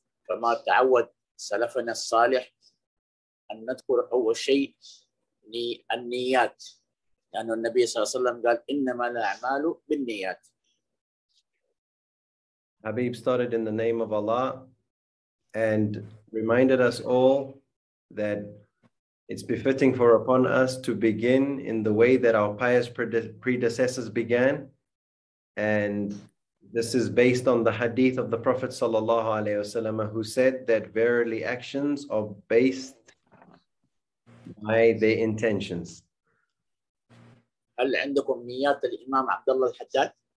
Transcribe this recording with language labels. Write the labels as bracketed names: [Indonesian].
[Arabic] فما تعود سلفنا الصالح أن نذكر أول شيء النيات، لأنه النبي صلى الله عليه وسلم قال إنما الأعمال بالنيات. [English] Habib started in the name of Allah and reminded us all that it's befitting for upon us to begin in the way that our pious predecessors began. And this is based on the hadith of the Prophet sallallahu alaihi wasallam, who said that verily actions are based by their intentions. [Arabic] هل عندكم نيات الإمام عبد الله الحجاج؟